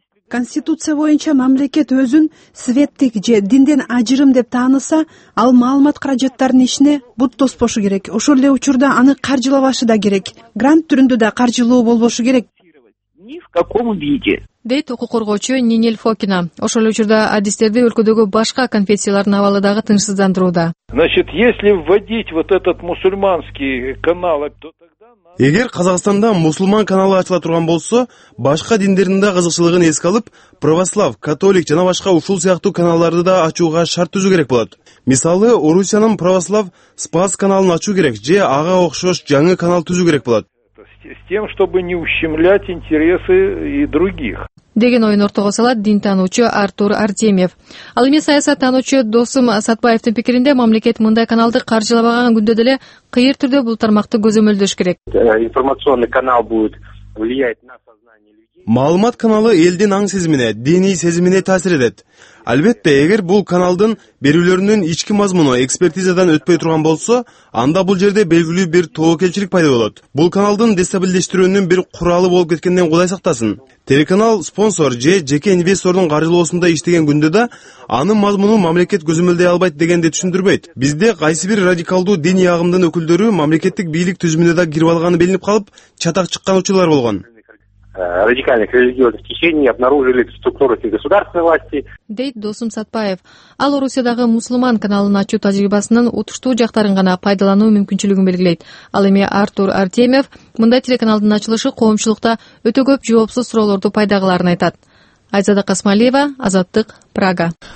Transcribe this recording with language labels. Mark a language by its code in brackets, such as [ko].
[ky] Конституция боюнча мамлекет өзүн светтик же динден ажырым деп тааныса, ал маалымат каражаттарынын ишине бут тоспошу керек. Ошол эле учурда аны каржылабашы да керек. Грант түрүндө да каржылоо болбошу керек. [ru] Ни в каком виде. [ky] Дейт укук коргоочу Нинель Фокина. Ошол эле учурда адистерди өлкөдөгү башка конфессиялардын абалы дагы тынчсыздандырууда. [ru] Значит, если вводить вот этот мусульманский канал, то [ky] эгер Казакстанда мусулман каналы ачыла турган болсо, башка диндердин да кызыкчылыгын эске алып, православ, католик жана башка ушул сыяктуу каналдарды да ачууга шарт түзүү керек болот. Мисалы, Орусиянын православ Спас каналын ачуу керек же ага окшош жаңы канал түзүү керек болот. [ru] С тем, чтобы не ущемлять интересы и других. [ky] деген ойын ортого салат дин таануучу Артур Артемьев. Ал эми саясат таануучу Досым Сатбаевдин пикиринде мамлекет мындай каналды каржылабаган күндө деле кыйыр түрдө бул тармакты көзөмөлдөш керек. [ru] Информационный канал будет влиять на сознание людей. [ky] Маалымат каналы элдин аң сезимине, диний сезимине таасир этет. Албетте, эгер бул каналдын берүүлөрүнүн ички мазмуну экспертизадан өтпөй турган болсо, анда бул жерде белгилүү бир тобокелчилик пайда болот. Бул каналдын дестабилдештирүүнүн бир куралы болуп кеткенден кудай сактасын. Телеканал спонсор же жеке инвестордун каржылоосунда иштеген күндө да анын мазмуну мамлекет көзөмөлдөй албайт дегенди түшүндүрбөйт. Бизде кайсы бир радикалдуу диний агымдын өкүлдөрү мамлекеттик бийлик түзүмүнө да кирип алганы билинип калып, чатак чыккан учурлар болгон. [ru] Радикальных религиозных течений обнаружили структуры государственной власти. [ky] Дейт Досым Сатбаев. Ал Орусиядагы мусулман каналын ачуу тажрыйбасынын утуштуу жактарын гана пайдалануу мүмкүнчүлүгүн белгилейт. Ал эми Артур Артемьев мындай телеканалдын ачылышы коомчулукта өтө көп жоопсуз суроолорду пайда кылаарын айтат. Айзада Касмалиева, Азаттык, Прага.